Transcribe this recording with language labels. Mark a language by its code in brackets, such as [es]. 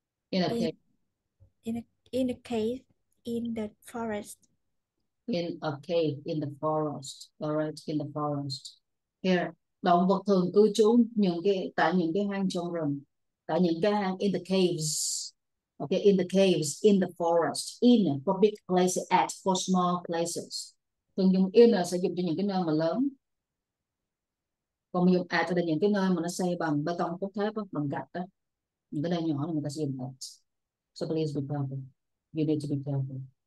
[en] In a cave. in a cave in the forest. In a cave in the forest. All right, in the forest. [vi] Here, động vật thường cư trú những cái tại những cái hang trong rừng, tại những cái hang [en] in the caves. Okay, in the caves, in the forest, in for big places, at for small places. [vi] Thường dùng in sẽ dùng cho những cái nơi mà lớn. Còn dùng at là những cái nơi mà nó xây bằng bê tông cốt thép, đó, bằng gạch. Đó. Những cái nơi nhỏ là người ta sẽ dùng at. [en] So please be careful. You need to be careful.